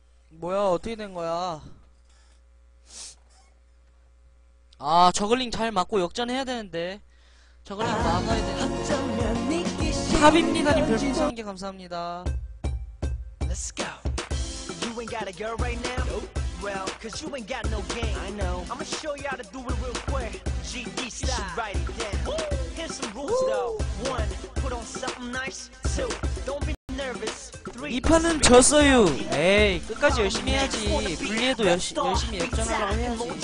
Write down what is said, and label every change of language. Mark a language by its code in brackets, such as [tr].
[ko] 뭐야, 어떻게 된 거야? 아, 저글링 잘 맞고 역전해야 되는데. 저글링 나가야 되는데. 탑입니다님, 별풍선 한개 감사합니다. [en] Let's go. You ain't got a girl right now. Well, cause you ain't got no game. I know. I'ma show you how to do it real quick. GD style. You should write it down. Here's some rules though. One, put on something nice. Two, don't be nervous. Three, [ko] 이 판은 졌어요. 에이, 끝까지 열심히 해야지. 불리해도 열심히 역전하라고 해야지.